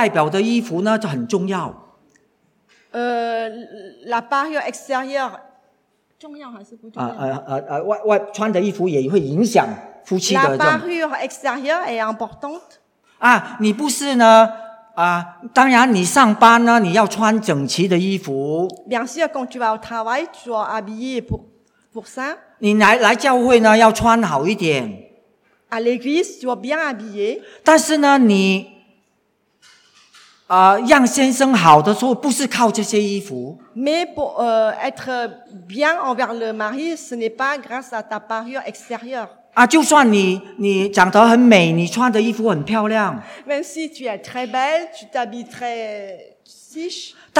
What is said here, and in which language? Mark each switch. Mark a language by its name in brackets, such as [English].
[Chinese] 然后呢,你穿的那个外表的衣服呢,就很重要。 [French] L'apparence extérieure, [Chinese] 重要还是不重要? 穿的衣服也会影响夫妻的。 [French] L'apparence extérieure est importante. [Chinese] 啊,你不是呢,当然你上班呢,你要穿整齐的衣服。 [French] Bien sûr, quand tu vas au travail, tu dois habiller pour ça. [Chinese] 你来教会呢,要穿好一点。 [French] À l'église, tu dois bien habiller. [Chinese] 但是呢,你,让先生好的时候,不是靠这些衣服。 [French] Mais pour être bien envers le mari, ce n'est pas grâce à ta parure extérieure. [Chinese] 啊,就算你长得很美,你穿的衣服很漂亮。 [French] Même si tu es très belle, tu t'habilles très chiche.